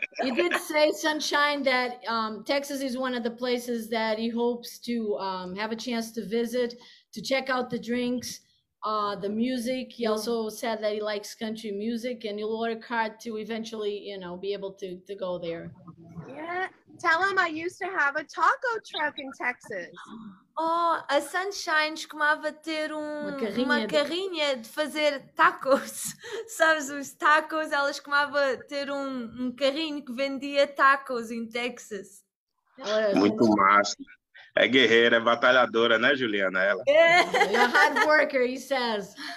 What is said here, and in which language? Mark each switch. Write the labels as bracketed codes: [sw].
[en] He did say, Sunshine, that Texas is one of the places that he hopes to have a chance to visit, to check out the drinks, the music. He also said that he likes country music and he'll order a card to eventually, be able to go there. Yeah, tell him I used to have a taco truck in Texas. [pt] Oh, a Sunshine costumava ter Uma uma carrinha de fazer tacos, sabes, os tacos, ela costumava ter um carrinho que vendia tacos em Texas. Ela é Muito gente. massa. É guerreira, é batalhadora, né, Juliana? Ela. [en] You're a hard worker, he says.